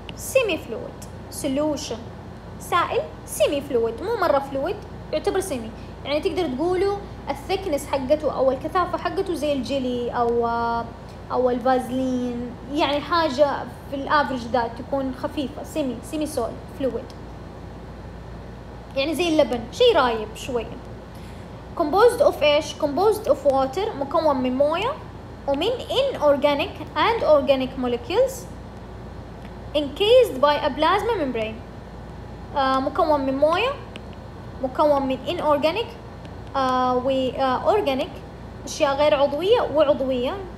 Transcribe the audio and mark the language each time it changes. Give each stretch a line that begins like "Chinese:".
Arabic: semi-fluid solution، سائل semi-fluid، مو مرة fluid، يعتبر semi، يعني تقدر تقوله الثيكنس حقته أو الكثافة حقته زي الجيلي أو الفازلين، يعني حاجة في الأفرج ذات تكون خفيفة، سيمي سول فلويد، يعني زي اللبن، شيء رايب شوية.
English: composed of إيش؟ composed of water،
Arabic: مكون من موية ومن
English: inorganic and organic molecules encased by a plasma membrane.
Arabic: مكون من موية، مكون من inorganic وorganic، أشياء غير عضوية وعضوية.